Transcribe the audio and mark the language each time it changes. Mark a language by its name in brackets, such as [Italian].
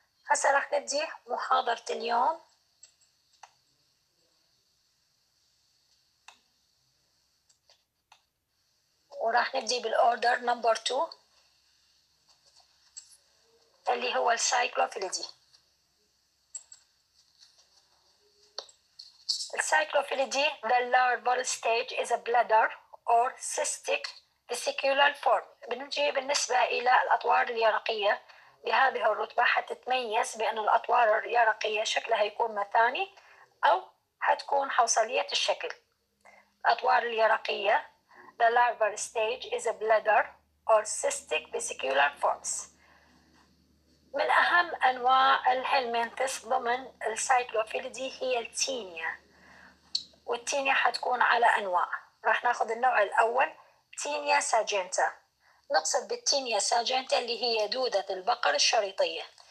[Arabic] هسا راح نبدي محاضرة اليوم وراح نبدي بالأوردر نمبر 2 اللي هو السايكلوفيلدي. [English] السايكلوفيلدي the larval stage is a bladder or cystic vesicular form. [Arabic] بنجي بالنسبة إلى الأطوار اليرقية بهذه الرتبة حتتميز بأن الأطوار اليرقية شكلها يكون مثاني أو حتكون حوصلية الشكل. الأطوار اليرقية [English] The larval stage is a bladder or cystic vesicular forms. [Arabic] من أهم أنواع الهلمنتس ضمن السايكلوفيلدي هي التينيا، والتينيا حتكون على أنواع. راح نأخذ النوع الأول تينيا ساجينتا، نقصد بالتينيا ساجينتا اللي هي دودة البقر الشريطية.